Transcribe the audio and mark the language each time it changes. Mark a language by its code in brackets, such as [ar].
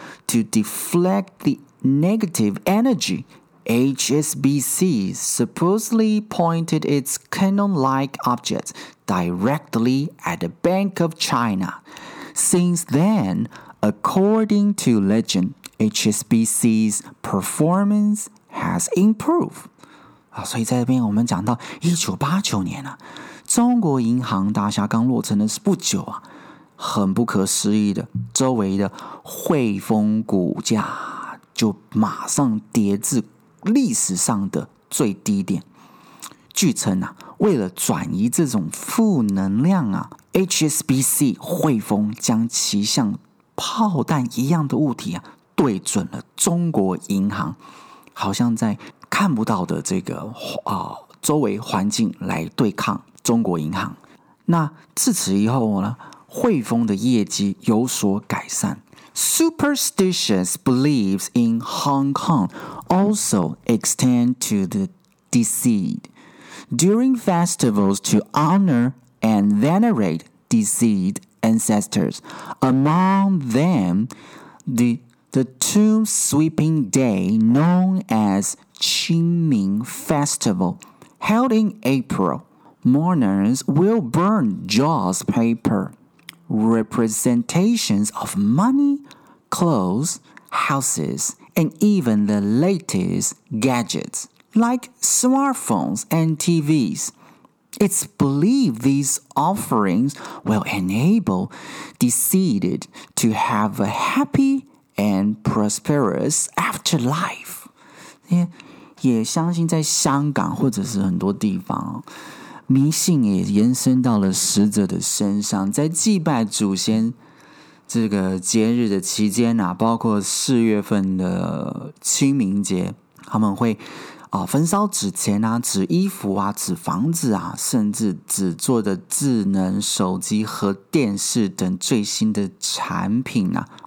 [en] To deflect the negative energy, HSBC supposedly pointed its cannon-like objects directly at the Bank of China. Since then, according to legend,HSBC's performance has improved. [zh] 所以在这边我们讲到1989年、中国银行大厦刚落成的是不久、很不可思议的，周围的汇丰股价就马上跌至历史上的最低点。据称、为了转移这种负能量、HSBC 汇丰将其像炮弹一样的物体啊对准了中国银行，好像在看不到的这个、周围环境来对抗中国银行。那自此以后呢，汇丰的业绩有所改善。 [en] Superstitious beliefs in Hong Kong also extend to the deceased. During festivals to honor and venerate deceased ancestors, among them, the tomb sweeping day known as Qingming Festival, held in April, mourners will burn joss paper, representations of money, clothes, houses, and even the latest gadgets like smartphones and TVs. It's believed these offerings will enable deceased to have a happyAnd prosperous afterlife. [zh] 也相信在香港或者是很多地方，迷信也延伸到了死者的身上，在祭拜祖先这个节日的期间啊，包括四月份的清明节，他们会焚烧纸钱啊，纸衣服啊，纸房子啊，甚至纸做的智能手机和电视等最新的产品啊。